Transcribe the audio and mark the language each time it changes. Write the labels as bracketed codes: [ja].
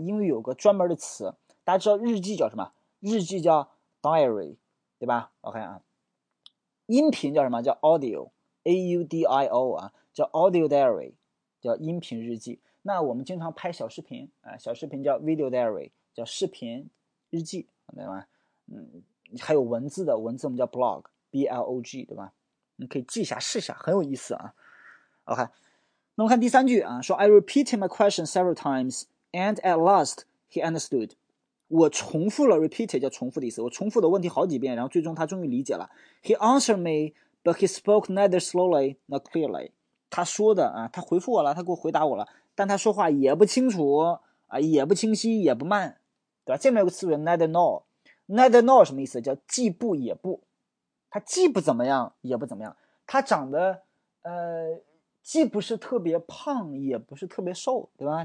[zh] 英语有个专门的词，大家知道日记叫什么？日记叫 diary， 对吧 ？OK 啊，音频叫什么？叫 audio，A-U-D-I-O 啊，叫 audio diary， 叫音频日记。那我们经常拍小视频啊，小视频叫 video diary， 叫视频日记，对吧？嗯，还有文字的，文字我们叫 blog，B-L-O-G， 对吧？你可以记一下，试一下，很有意思啊。 [en] OK， [zh] 那我看第三句啊，说 [en] I repeated my question several times and at last he understood。 [zh] 我重复了 repeated 叫重复的意思，我重复的问题好几遍，然后最终他终于理解了。 [en] He answered me but he spoke neither slowly nor clearly。 [zh] 他说的啊，他回复我了，他给我回答我了，但他说话也不清楚啊，也不清晰，也不慢，对吧？这边有个词语 neither nor， neither nor 什么意思？叫既不也不，他既不怎么样也不怎么样，他长得既不是特别胖也不是特别瘦，对吧？